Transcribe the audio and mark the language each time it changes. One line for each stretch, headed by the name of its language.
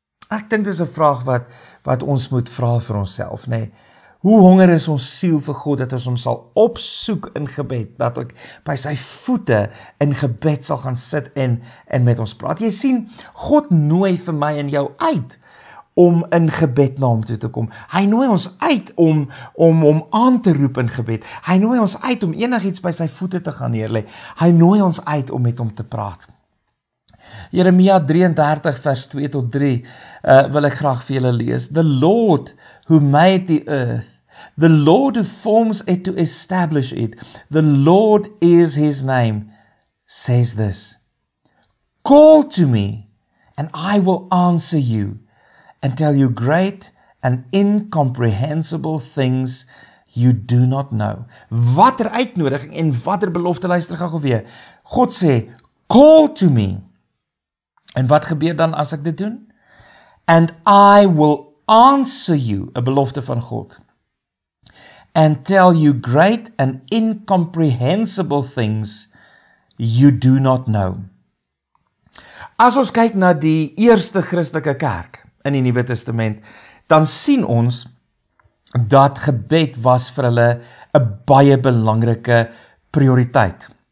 Afrikaans: Ek dink dis 'n vraag wat ons moet vra vir onsself, nee. Hoe honger is ons siel vir God, dat ons hom sal opsoek in gebed, dat ek by sy voete in gebed sal gaan sit en met ons praat. Jy sien, God nooi vir my en jou uit om in gebed na hom toe te kom. Hy nooi ons uit om hom aan te roep in gebed. Hy nooi ons uit om enigiets by sy voete te gaan neerlê. Hy nooi ons uit om met hom te praat. Jeremia 33 vers 2 tot 3 wil ek graag vir julle lees.
English: "The Lord who made the earth, the Lord who forms it to establish it, the Lord is his name, says this, 'Call to me and I will answer you and tell you great and incomprehensible things you do not know.'"
Afrikaans: Watter uitnodiging en watter belofte, luister gou weer. God sê,
English: "Call to me."
Afrikaans: En wat gebeur dan as ek dit doen?
English: "And I will answer you,"
Afrikaans: 'n belofte van God,
English: "and tell you great and incomprehensible things you do not know."
Afrikaans: As ons kyk na die eerste Christelike kerk in die Nuwe Testament, dan sien ons dat gebed was vir hulle 'n baie belangrike prioriteit.